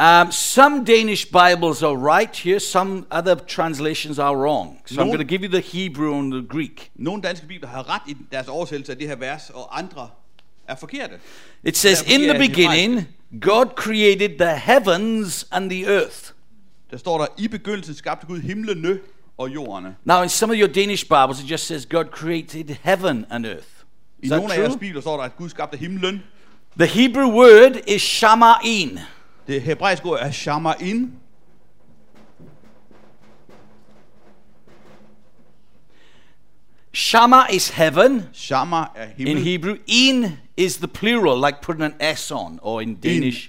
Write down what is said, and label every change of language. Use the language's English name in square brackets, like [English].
[English] Some Danish Bibles are right here, some other translations are wrong. So I'm going to give you the Hebrew and the Greek. [Danish] Nogle danske bibler har ret i deres oversættelse af det her vers, og andre er forkerte. [English] It says, in the beginning, God created the heavens and the earth. [Danish] Der står der, i begyndelsen skabte Gud himlene og jorden. [English] Now in some of your Danish Bibles, it just says, God created heaven and earth. [Danish] I nogle af jeres bibler står der, at Gud skabte himlen. [English] The Hebrew word is shamain. [Danish] Det hebraiske ord er shamain. [English] Shama is heaven. [Danish] Shama er himmel. [English] In Hebrew, in is the plural, like putting an S on, or in Danish,